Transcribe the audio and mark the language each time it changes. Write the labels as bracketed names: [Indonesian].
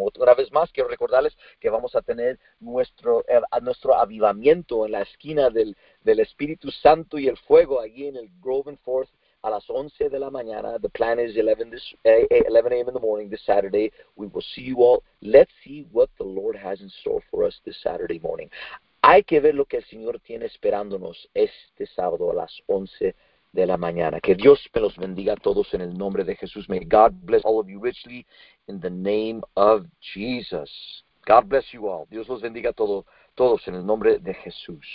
[Spanish] Otra vez más, quiero recordarles que vamos a tener nuestro avivamiento en la esquina del Espíritu Santo y el Fuego allí en el Grove and Forth a las 11 de la mañana. [English] The plan is 11 a.m. in the morning this Saturday. We will see you all. Let's see what the Lord has in store for us this Saturday morning. [Spanish] Hay que ver lo que el Señor tiene esperándonos este sábado a las 11 de la mañana. Que Dios me los bendiga a todos en el nombre de Jesús. [English] May God bless all of you richly in the name of Jesus. God bless you all. [Spanish] Dios los bendiga a todos en el nombre de Jesús.